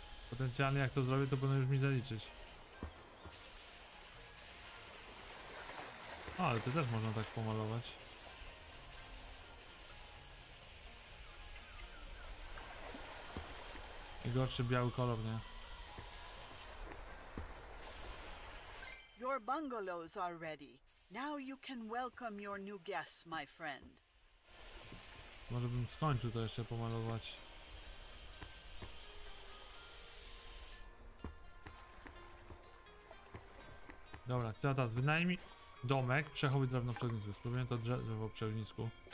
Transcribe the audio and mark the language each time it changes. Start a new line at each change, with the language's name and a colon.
Polish: Potencjalnie jak to zrobię, to będą już mi zaliczyć. O, ale to też można tak pomalować. I gorszy biały kolor, nie?
English: Your bungalows are ready. Now you can welcome your new guests, my friend.
Polish: Może bym skończył to jeszcze pomalować. Dobra, co teraz? Wynajmij domek, przechowuj drewno przy ognisku. Spróbujemy to drzewo przy ognisku.